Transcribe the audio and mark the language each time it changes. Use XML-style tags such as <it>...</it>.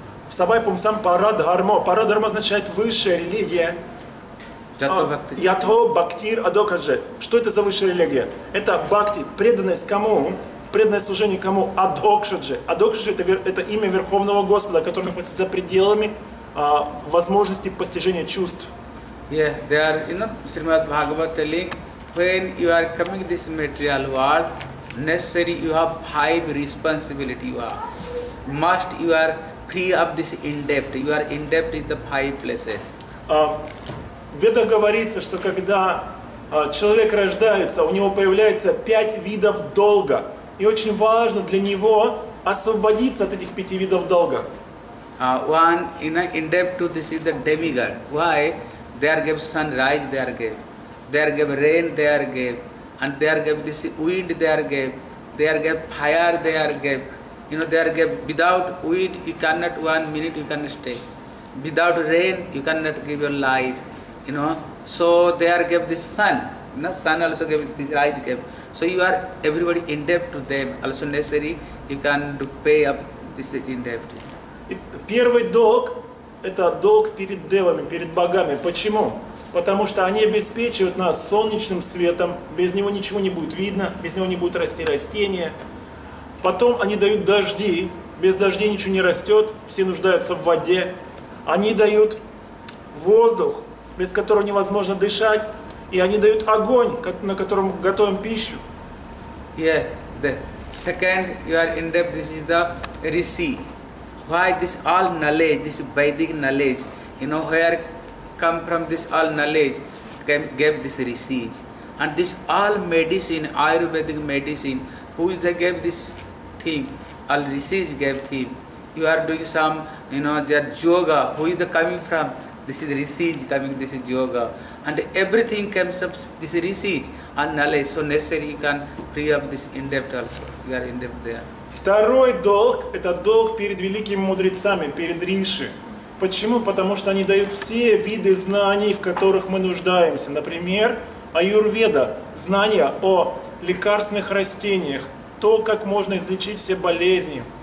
<sa>Савай пумсам пара дхармо.</sa> <ru>Пара дхармо означает высшая религия.</ru> <sa>Ято бхактир адокаджет.</sa> <ru>Что это за высшая религия? Это бхакти, преданность кому? Преданное служение кому? Адокшаджи. Адокшаджи – это имя Верховного Господа, который находится за пределами возможности постижения чувств.</ru> <en>Yeah, they are, you know, Srimad Bhagavad telling, when you are coming this material world, necessary you have five responsibility you have. Must you are free of this in-depth. You are in-depth in the five places.</en> <ru>Веда говорится, что когда человек рождается, у него появляется пять видов долга. И очень важно для него освободиться от этих пяти видов долга.</ru> <en>One in-depth to this is the demigod. Why? They are gave sunrise, they are gave. They are gave rain, they are gave. And they are gave this wind, they are gave. They are gave fire, they are gave. You know, they are gave without wind, you cannot 1 minute, you cannot stay. Without rain, you cannot give your life. You know, so they are gave this sun. You know, sun also gave this rise, gave. So you are everybody in debt to them. Also necessary, you can pay up this in debt.</en> <ru>Первый долг – это долг перед девами, перед богами. Почему? Потому что они обеспечивают нас солнечным светом. Без него ничего не будет видно, без него не будет расти растения. Потом они дают дожди. Без дождей ничего не растет, все нуждаются в воде. Они дают воздух, без которого невозможно дышать. И они дают огонь, на котором готовим пищу.</ru> <en>Yeah, the second you are in depth, this is the Rishi. Why this all knowledge, this Vedic knowledge, you know, where come from this all knowledge, gave this Rishi. And this all medicine, Ayurvedic medicine, who is the gave this thing, all Rishi gave him. You are doing some, you know, their yoga, who is the coming from? This is Rishi coming, this is yoga. And everything comes up, this Rishi and knowledge, so necessary you can free up this in-depth also, you are in-depth there.</en> <ru>Второй долг – это долг перед великими мудрецами, перед Риши. Почему? Потому что они дают все виды знаний, в которых мы нуждаемся. Например, аюрведа – знания о лекарственных растениях, то, как можно излечить все болезни.</ru>